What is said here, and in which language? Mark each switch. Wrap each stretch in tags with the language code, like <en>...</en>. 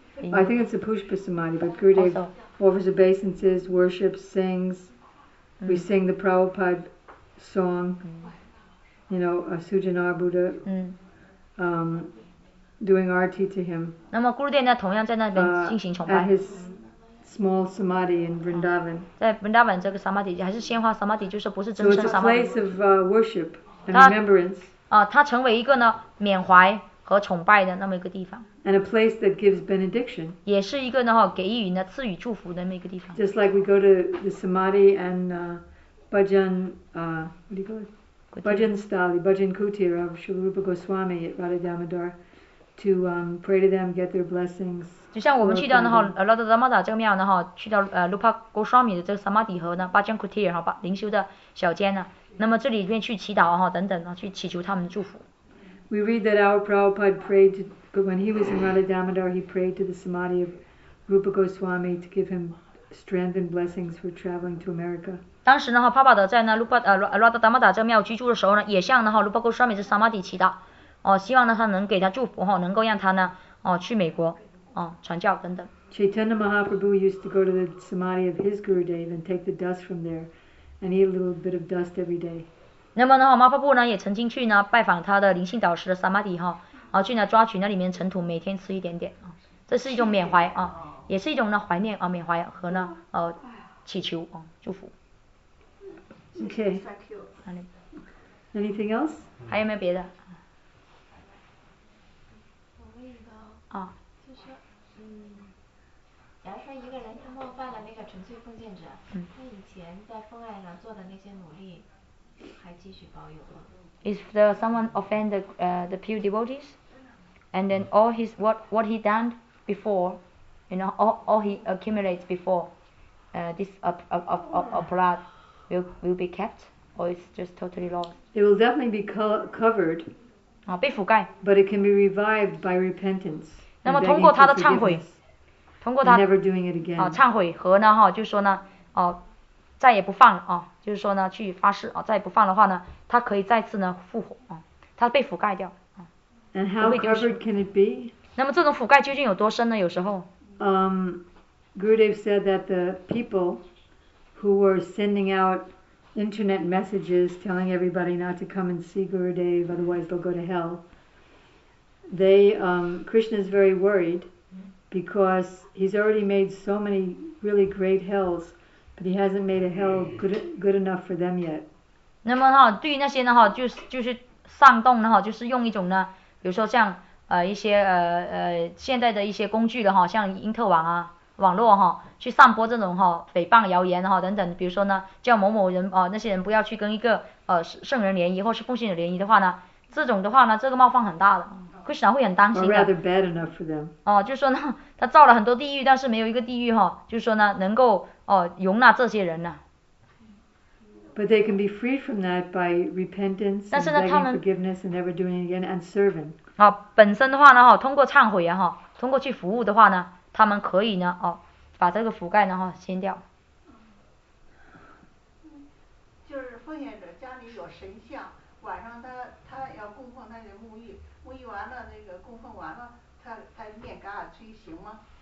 <en>I think it's a Pushpa Samadhi but Gurudev offers obeisances, worships, sings we sing the Prabhupada song you know, Sujanar Buddha doing RT to him.</en> <zh>那么 Gurudev 呢同样在那边进行崇拜。</zh> <en>At his small samadhi in Vrindavan.</en> <zh>在 Vrindavan 这个 samadhi 还是鲜花 samadhi 就是不是真正 samadhi。</zh> <en>So it's a place of worship and remembrance.</en> <zh>它成为一个呢缅怀和崇拜的那么一个地方。</zh> <en>And a place that gives benediction.</en> <zh>也是一个呢给予呢赐予祝福的那么一个地方。</zh> <en>Just like we go to the samadhi and bhajan, bhajan stali, bhajan kutir of Srila Rupa Goswami at Radha Damodar. To pray to them, get their blessings.</en> <zh>就像我们去到那哈拉达达玛达这个庙呢哈，去到卢帕戈沙米的这个萨玛底和呢巴江库提尔哈巴灵修的小间呢，那么这里边去祈祷哈等等啊，去祈求他们的祝福。</zh> <en>We read that our Prabhupada prayed to, when he was in Radha Damodar, he prayed to the Samadhi of Rupa Goswami to give him strength and blessings for traveling to America.</en> <zh>当时呢哈，帕巴德在那卢帕拉达达玛达这个庙居住的时候呢，也向呢哈卢帕戈沙米这萨玛底祈祷。希望呢他能给他祝福哈，能够让他呢去美国传教等等。</zh> <en>Chaitanya Mahaprabhu used to go to the samadhi of his Gurudev and take the dust from there and eat a little bit of dust every day.</en> <zh>那么呢哈，马普布呢也曾经去呢拜访他的灵性导师的 samadhi 哈，去呢抓取那里面尘土，每天吃一点点这是一种缅怀也是一种呢怀念缅怀和呢祈求祝福。</zh> <en>Okay. Thank you. Anything else?</en> <zh>还有没有别的？假如说一个人他冒犯了那个纯粹奉献者，他以前在奉爱上做的那些努力，还继续保有吗</zh> <en>？If the someone offend the pure devotees, and then all his what he done before, you know all he accumulates before, this of blood will be kept. Oh, or it's just totally lost? It will definitely be covered.</en> <zh>啊，被覆盖。</zh> <en>But it can be revived by repentance.</en> <zh>那么通过他的忏悔，通过他</zh> <en>never doing it again.</en> <zh>啊，忏悔和呢哈，就是说呢，哦，再也不犯了啊，就是说呢，去发誓啊，再也不犯的话呢，他可以再次呢复活啊，他被覆盖掉。</zh> <en>And how covered can it be?</en> <zh>那么这种覆盖究竟有多深呢？有时候。</zh> <en>Gurudev said that the people who were sending out internet messages telling everybody not to come and see Gurudev, otherwise they'll go to hell. Krishna is very worried because he's already made so many really great hells, but he hasn't made a hell good enough for them yet.</en> <zh>那么哈，对于那些呢哈，就是上当的哈，就是用一种呢，比如说像一些现代的一些工具的哈，像因特网啊。网络哈，去散播这种哈诽谤谣言哈等等，比如说呢，叫某某人啊、那些人不要去跟一个圣人联谊，或是奉行者联谊的话呢，这种的话呢，这个冒犯很大的，Krishna会很担心的。</zh> <en>Or rather bad enough for them.</en> <zh>哦，就说呢，他造了很多地狱，但是没有一个地狱哈，就说呢，能够容纳这些人呢。</zh> <en>But they can be freed from that by repentance and begging forgiveness and never doing it again and serving.</en> <zh>啊，本身的话呢，通过忏悔哈，通过去服务的话呢。他们可以呢，哦，把这个覆盖呢哈掀掉。就是奉献者家里有神像，晚上他要供奉他的沐浴完了，那个供奉完了，他念嘎啊吹行吗？</zh>